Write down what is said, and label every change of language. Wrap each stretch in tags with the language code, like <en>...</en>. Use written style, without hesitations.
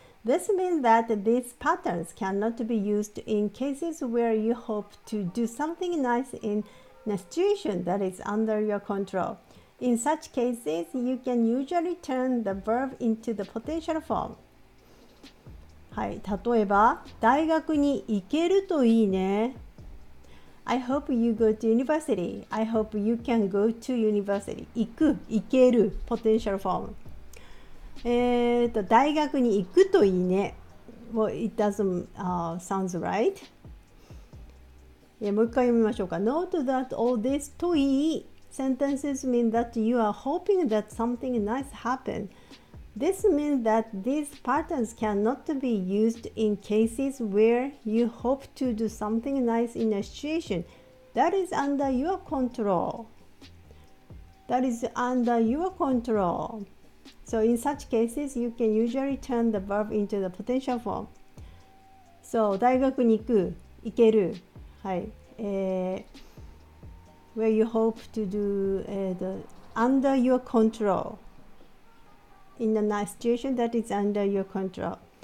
<en>This means that these patterns cannot be used in cases where you hope to do something nice in a situation that is under your control. In such cases, you can usually turn the verb into the potential form.</en> <ja>はい、例えば、大学に行けるといいね。</ja> <en>I hope you go to university. I hope you can go to university.</en> <ja>行く、行ける、potential form. 大学に行くといいね。</ja> <en>Well, it doesn't sounds right.</en> <ja>Yeah, もう一回読みましょうか。</ja> <en>Note that all these といい sentences mean that you are hoping that something nice happens. This means that these patterns cannot be used in cases where you hope to do something nice in a situation that is under your control. That is under your control. So in such cases, you can usually turn the verb into the potential form.</en> <ja>So, 大学に行く、行ける。はい。</ja> <en>Where you hope to do under your control. In a nice situation that is under your control.</en>